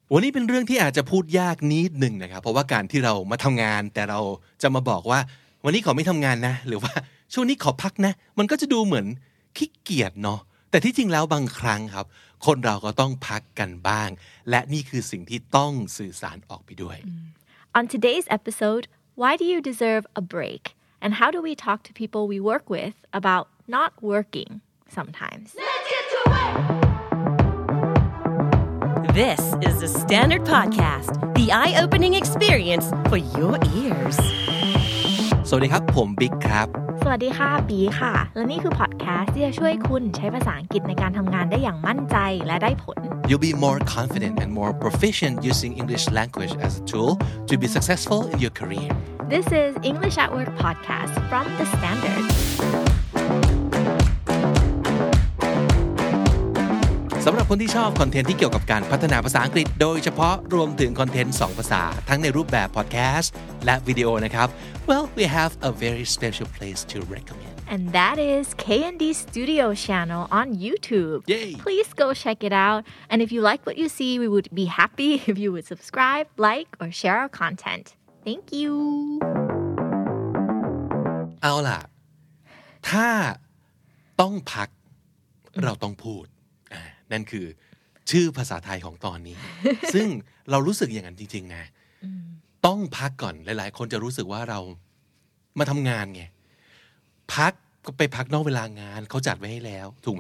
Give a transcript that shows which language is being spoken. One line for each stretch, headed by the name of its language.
Thai: วันนี้เป็นเรื่องที่อาจจะพูดยากนิดหนึ่งนะครับเพราะว่าการที่เรามาทำงานแต่เราจะมาบอกว่าวันนี้ขอไม่ทำงานนะหรือว่าช่วงนี้ขอพักนะมันก็จะดูเหมือนขี้เกียจเนาะแต่ที่จริงแล้วบางครั้งครับคนเราก็ต้องพักกันบ้างและนี่คือสิ่งที่ต้องสื่อสารออกไปด้วย
English: On today's episode, why do you deserve a break? And how do we talk to people we work with about not working sometimes? Let's get to work! This is the Standard Podcast, the eye-opening experience for your ears.
Thai: สวัสดีครับผมบิ๊กครับ สวัสดีค่ะปีค่ะและนี่คือพอดแคสต์ที่จะช่วยคุณใช้ภาษาอังกฤษในการทำงานได้อย่างมั่นใจและได้ผล
English: You'll be more confident and more proficient using English language as a tool to be successful in your career. This is English at Work Podcast from The Standard.
Thai: สำหรับคนที่ชอบคอนเทนต์ที่เกี่ยวกับการพัฒนาภาษาอังกฤษโดยเฉพาะรวมถึงคอนเทนต์สองภาษาทั้งในรูปแบบพอดแคสต์และวิดีโอนะครับ
English: Well, we have a very special place to recommend. And that is K&D Studio Channel on YouTube. Yay! Please go check it out. And if you like what you see, we would be happy if you would subscribe, like, or share our content. Thank you!
Thai: เอาล่ะถ้าต้องพักเราต้องพูดนั่นคือชื่อภาษาไทยของตอนนี้ซึ่งเรารู้สึกอย่างนั้นจริงๆนะต้องพักก่อนหลายๆคนจะรู้สึกว่าเรามาทำงานไงพักก็ไปพักนอกเวลางานเขาจัดไว้ให้แล้วถูกไห